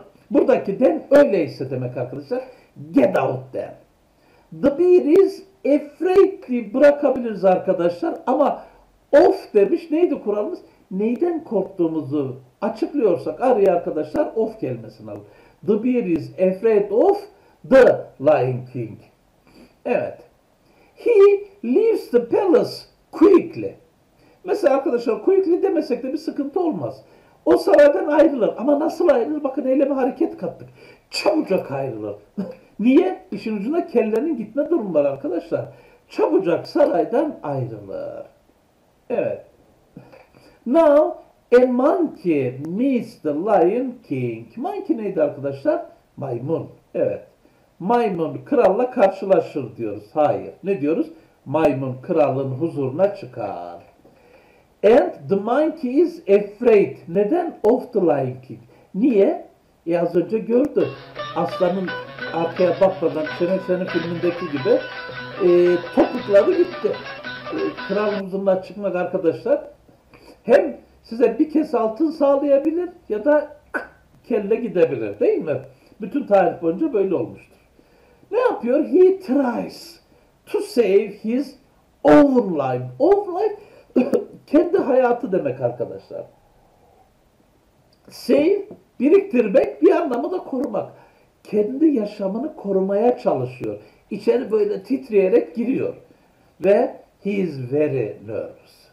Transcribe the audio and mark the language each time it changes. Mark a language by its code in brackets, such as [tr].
[tr] Buradaki den öyleyse demek arkadaşlar. [en] Get out then. The bear is afraid [tr] diye bırakabiliriz arkadaşlar. Ama of demiş. Neydi kuralımız? Neyden korktuğumuzu açıklıyorsak araya arkadaşlar of kelimesini alın. [en] The bear is afraid of the Lion King. [tr] Evet. [en] He leaves the palace quickly. [tr] Mesela arkadaşlar quickly demesek de bir sıkıntı olmaz. O saraydan ayrılır. Ama nasıl ayrılır? Bakın eyleme hareket kattık. Çabucak ayrılır. Niye? İşin ucunda kellenin gitme durumu var arkadaşlar. Çabucak saraydan ayrılır. Evet. [en] Now a monkey meets the Lion King. [tr] Monkey neydi arkadaşlar? Maymun. Evet. Maymun kralla karşılaşır diyoruz. Hayır. Ne diyoruz? Maymun kralın huzuruna çıkar. [en] And the monkey is afraid. [tr] Neden? [en] Of the Lion King. [tr] Niye? Az önce gördü. Aslanın arkaya bakmadan Şener Şen'in filmindeki gibi topukları gitti. Kralın huzuruna çıkmak arkadaşlar hem size bir kez altın sağlayabilir ya da kelle gidebilir değil mi? Bütün tarih boyunca böyle olmuştur. Ne yapıyor? [en] He tries to save his own life. [tr] Own life kendi hayatı demek arkadaşlar. Save, biriktirmek bir anlamı da korumak. Kendi yaşamını korumaya çalışıyor. İçeri böyle titreyerek giriyor. Ve [en] he is very nervous.